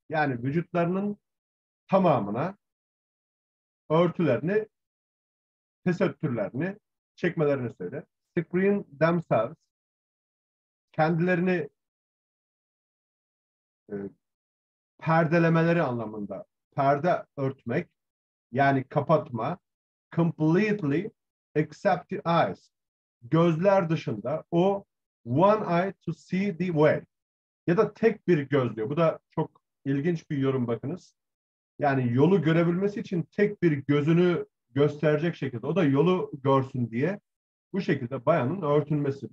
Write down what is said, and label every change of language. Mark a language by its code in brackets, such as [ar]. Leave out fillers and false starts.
[tr] Yani vücutlarının tamamına örtülerini, tesettürlerini çekmelerini söyle. [en] Screen themselves. [tr] Kendilerini perdelemeleri anlamında. Perde örtmek. Yani kapatma. [en] Completely except the eyes. [tr] Gözler dışında o [en] one eye to see the way. [tr] Ya da tek bir göz diyor. Bu da çok ilginç bir yorum bakınız. Yani yolu görebilmesi için tek bir gözünü gösterecek şekilde. O da yolu görsün diye bu şekilde bayanın örtünmesi.